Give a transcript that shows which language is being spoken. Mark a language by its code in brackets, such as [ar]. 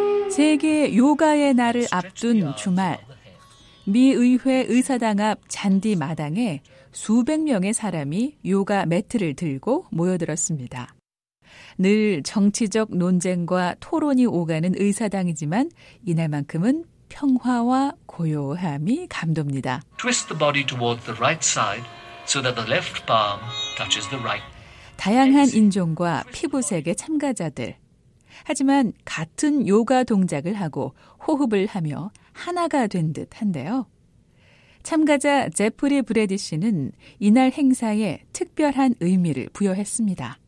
[ko] 세계 요가의 날을 앞둔 주말, 미 의회 의사당 앞 잔디 마당에 수백 명의 사람이 요가 매트를 들고 모여들었습니다. 늘 정치적 논쟁과 토론이 오가는 의사당이지만 이날만큼은 평화와 고요함이 감돕니다. [en] Twist the body towards the right side so that the left palm touches the right. [ko] 다양한 인종과 피부색의 참가자들. 하지만 같은 요가 동작을 하고 호흡을 하며 하나가 된 듯 한데요. 참가자 제프리 브래디 씨는 이날 행사에 특별한 의미를 부여했습니다.